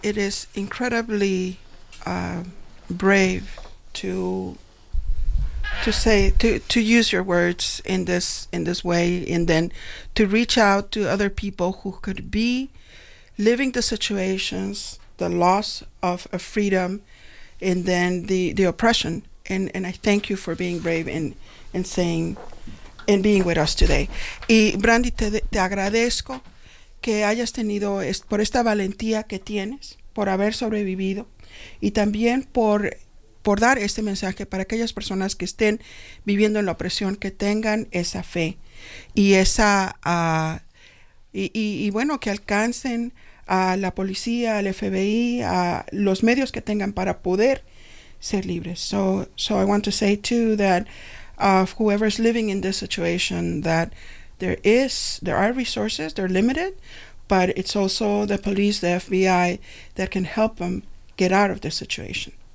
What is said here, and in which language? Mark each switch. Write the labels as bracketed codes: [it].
[en] It is incredibly brave to use your words in this way, and then to reach out to other people who could be living the situations, the loss of a freedom, and then the oppression. And I thank you for being brave and saying and being with us today. [es] Y Brandy, te agradezco que hayas tenido por esta valentía que tienes, por haber sobrevivido, y también por dar este mensaje para aquellas personas que estén viviendo en la opresión, que tengan esa fe y esa y bueno, que alcancen a la policía, al FBI, a los medios que tengan para poder ser libres. [en] So I want to say too that whoever is living in this situation, that there are resources, they're limited, but it's also the police, the FBI, that can help them get out of this situation.